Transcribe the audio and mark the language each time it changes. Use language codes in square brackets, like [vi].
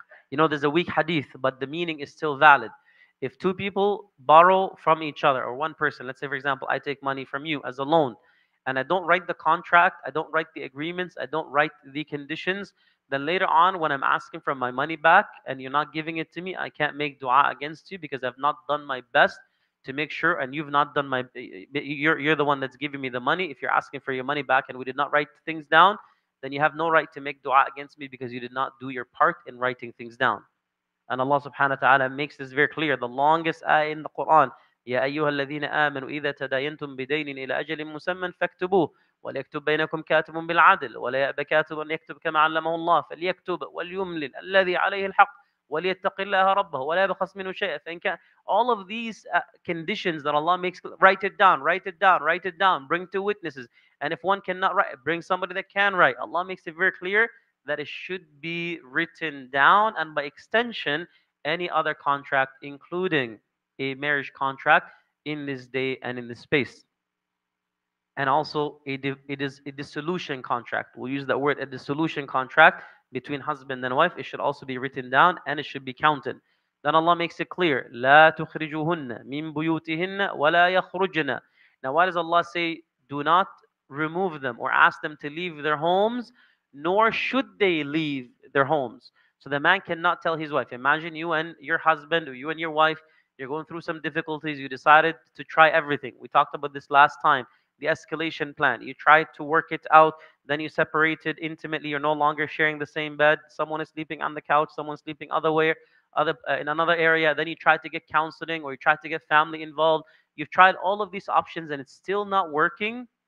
[en] You know, there's a weak hadith, but the meaning is still valid. If two people borrow from each other, or one person, let's say, for example, I take money from you as a loan, and I don't write the contract, I don't write the agreements, I don't write the conditions, then later on, when I'm asking for my money back and you're not giving it to me, I can't make dua against you because I've not done my best to make sure and you've not done my... You're the one that's giving me the money. If you're asking for your money back and we did not write things down, then you have no right to make dua against me because you did not do your part in writing things down. And Allah subhanahu wa ta'ala makes this very clear. [ar] The longest ayah in the Quran, يَا أَيُّهَا الَّذِينَ آمَنُوا إِذَا تَدَيَنْتُمْ بِدَيْنٍ إِلَى أَجَلٍ مُسَمًّا فَاكْتُبُوهُ وليكتب بينكم كاتب بالعدل ولا يأب كاتب أن يكتب كما علمه الله فليكتب وليملل الذي عليه الحق وليتق الله ربه ولا يبخس منه شيئا فإن كان [en] all of these conditions that Allah makes, write it down, bring two witnesses, and if one cannot write, bring somebody that can write. Allah makes it very clear that it should be written down, and by extension any other contract including a marriage contract in this day and in this space. And also, it is a dissolution contract. We'll use that word, a dissolution contract between husband and wife. It should also be written down and it should be counted. Then Allah makes it clear, [ar] لا تخرجوهن من بيوتهن ولا يخرجن. [en] Now, why does Allah say, do not remove them or ask them to leave their homes, nor should they leave their homes? So the man cannot tell his wife. Imagine you and your husband or you and your wife, you're going through some difficulties. You decided to try everything. We talked about this last time. The escalation plan, you try to work it out, then you separated intimately, you're no longer sharing the same bed, someone is sleeping on the couch, someone's sleeping in another area, then you try to get counseling or you try to get family involved, you've tried all of these options and it's still not working,